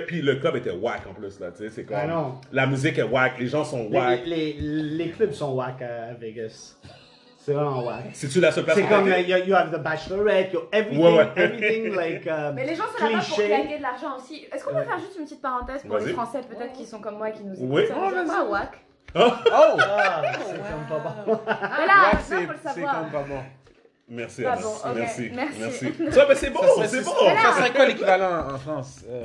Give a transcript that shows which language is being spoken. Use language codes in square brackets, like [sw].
[fr] Puis le club était whack, en plus, là, tu sais, c'est comme... Ah non. La musique est whack, les gens sont whack. Les clubs sont whack à Vegas. C'est vraiment ouais. C'est-tu la seule place? C'est comme, [en] you have the bachelorette, you have everything, everything, like, [fr] mais les gens sont là-bas pour claquer de l'argent aussi. Est-ce qu'on peut faire juste une petite parenthèse pour les Français, peut-être, qui sont comme moi, qui nous écoutent? Oui. C'est pas WAC. Oh! C'est comme pas bon. Mais là, WAC, c'est comme pas bon. Merci, pas bon. Okay. Merci. Merci. Ça, mais c'est bon, c'est bon. Ça serait quoi l'équivalent en France?